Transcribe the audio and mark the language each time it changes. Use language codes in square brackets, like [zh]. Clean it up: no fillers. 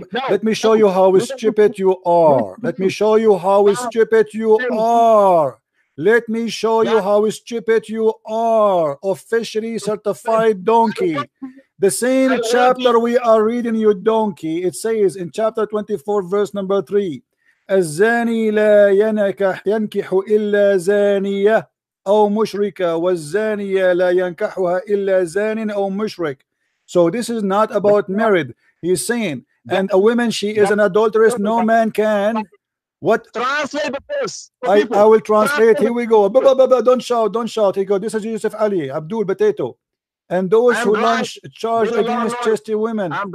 [en] Let me show you how stupid you are. Let me show you how stupid you are. Officially certified donkey. The same chapter we are reading, you donkey. It says in chapter 24, verse number 3, [ar] الزاني لا ينكح إلا زانية أو مشركة والزانية لا ينكحها إلا زان أو مشرك. [en] So this is not about married. He's saying, and a woman, she is an adulteress. No man can. What? Translate the verse. I will translate. Here we go. Don't shout. Here go. This is Yusuf Ali, Abdul Potato. And those who launch charge against chastity women.